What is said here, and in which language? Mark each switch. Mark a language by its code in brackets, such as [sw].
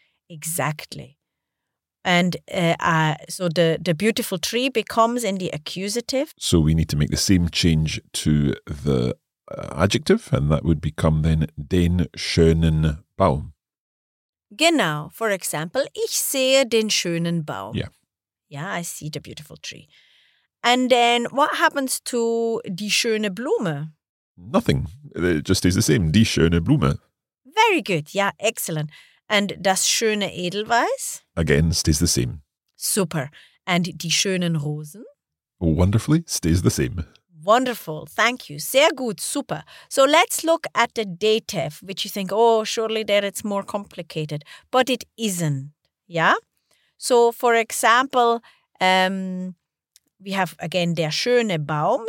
[en] Exactly. And so the beautiful tree becomes in the accusative. So we need to make the same change to the adjective, and that would become then [de] den schönen Baum. Genau. [en] For example, [de] ich sehe den schönen Baum. [en] Yeah. Yeah, I see the beautiful tree. And then what happens to [de] die schöne Blume? [en] Nothing. It just stays the same. [de] Die schöne Blume. [en] Very good. Yeah, excellent. And [de] das schöne Edelweiß? [en] Again, stays the same. Super. And [de] die schönen Rosen? [en] Wonderfully, stays the same. Wonderful. Thank you. [de] Sehr gut. Super. [en] So let's look at the dative, which you think, oh, surely there it's more complicated. But it isn't. Yeah? So, for example, we have, again, [de] der schöne Baum.